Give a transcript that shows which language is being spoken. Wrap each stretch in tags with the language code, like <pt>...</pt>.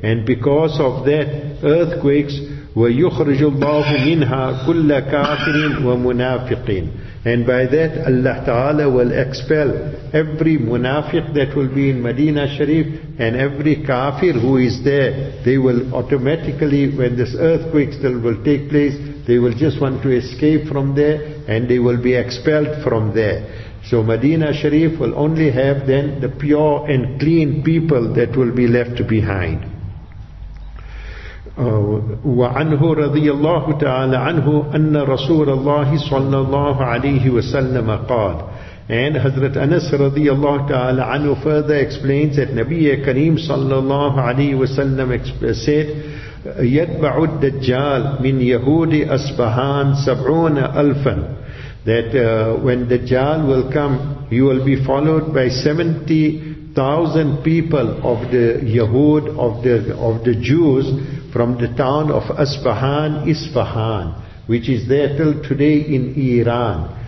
<en>And because of that, earthquakes,</en> <ar>وَيُخْرِجُ اللَّهُ مِنْهَا كُلَّ كَافِرٍ وَمُنَافِقٍ,</ar> <en>and by that Allah Ta'ala will expel every munafiq that will be in Medina Sharif, and every kafir who is there, they will automatically, when this earthquake still will take place, they will just want to escape from there, and they will be expelled from there. So Medina Sharif will only have then the pure and clean people that will be left behind.</en> <ar>وعنه رضي الله تعالى عنه أن رسول الله صلى الله عليه وسلم قال.</ar> <en>And Hazrat Anas</en> <ar>رضي الله تعالى عنه</ar> <en>further explains that</en> <ar>نبي كريم صلى الله عليه وسلم</ar> <en>said,</en> <ar>يتبع الدجال من يهود أصبهان</ar> <en>70,000, that when Dajjal will come, he will be followed by 70,000 people of the Yahud, of the Jews, from the town of Isfahan, Isfahan, which is there till today in Iran.</en>